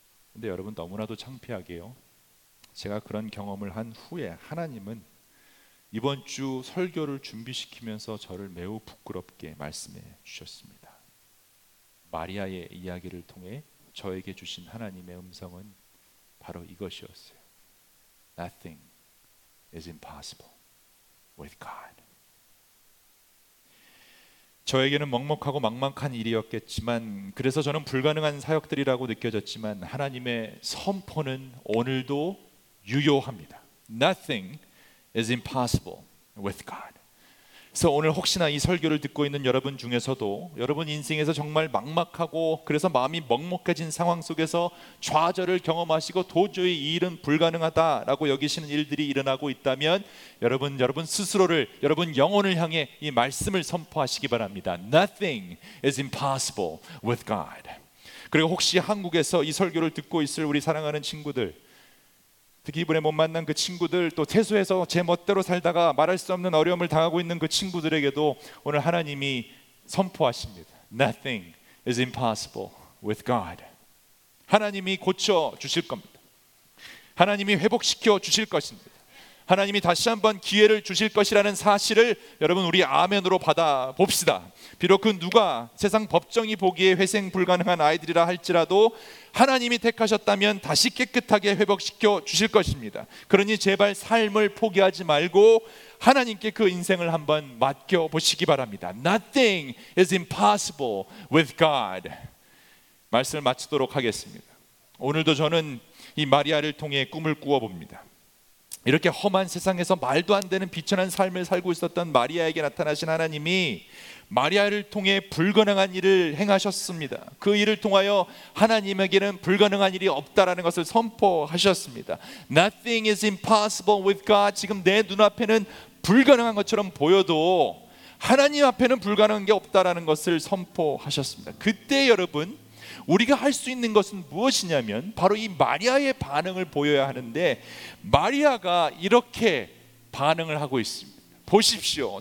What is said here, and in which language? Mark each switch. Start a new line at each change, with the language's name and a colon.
Korean: 그런데 여러분, 너무나도 창피하게요, 제가 그런 경험을 한 후에 하나님은 이번 주 설교를 준비시키면서 저를 매우 부끄럽게 말씀해 주셨습니다. 마리아의 이야기를 통해 저에게 주신 하나님의 음성은 바로 이것이었어요.
English: Nothing is impossible with God.
Korean: 저에게는 먹먹하고 막막한 일이었겠지만, 그래서 저는 불가능한 사역들이라고 느껴졌지만 하나님의 선포는 오늘도 유효합니다.
English: Nothing is impossible with God.
Korean: 그래서 오늘 혹시나 이 설교를 듣고 있는 여러분 중에서도 여러분 인생에서 정말 막막하고 그래서 마음이 먹먹해진 상황 속에서 좌절을 경험하시고 도저히 이 일은 불가능하다라고 여기시는 일들이 일어나고 있다면 여러분 여러분 스스로를 여러분 영혼을 향해 이 말씀을 선포하시기 바랍니다.
English: Nothing is impossible with God.
Korean: 그리고 혹시 한국에서 이 설교를 듣고 있을 우리 사랑하는 친구들 특히 이번에 못 만난 그 친구들 또 퇴소해서 제 멋대로 살다가 말할 수 없는 어려움을 당하고 있는 그 친구들에게도 오늘 하나님이 선포하십니다.
English: Nothing is impossible with God.
Korean: 하나님이 고쳐주실 겁니다. 하나님이 회복시켜 주실 것입니다. 하나님이 다시 한번 기회를 주실 것이라는 사실을 여러분 우리 아멘으로 받아 봅시다. 비록 그 누가 세상 법정이 보기에 회생 불가능한 아이들이라 할지라도 하나님이 택하셨다면 다시 깨끗하게 회복시켜 주실 것입니다. 그러니 제발 삶을 포기하지 말고 하나님께 그 인생을 한번 맡겨보시기 바랍니다.
English: Nothing is impossible with God.
Korean: 말씀을 마치도록 하겠습니다. 오늘도 저는 이 마리아를 통해 꿈을 꾸어봅니다. 이렇게 험한 세상에서 말도 안 되는 비천한 삶을 살고 있었던 마리아에게 나타나신 하나님이 마리아를 통해 불가능한 일을 행하셨습니다. 그 일을 통하여 하나님에게는 불가능한 일이 없다라는 것을 선포하셨습니다.
English: Nothing is impossible with God.
Korean: 지금 내 눈앞에는 불가능한 것처럼 보여도 하나님 앞에는 불가능한 게 없다라는 것을 선포하셨습니다. 그때 여러분 우리가 할 수 있는 것은 무엇이냐면 바로 이 마리아의 반응을 보여야 하는데 마리아가 이렇게 반응을 하고 있습니다. 보십시오.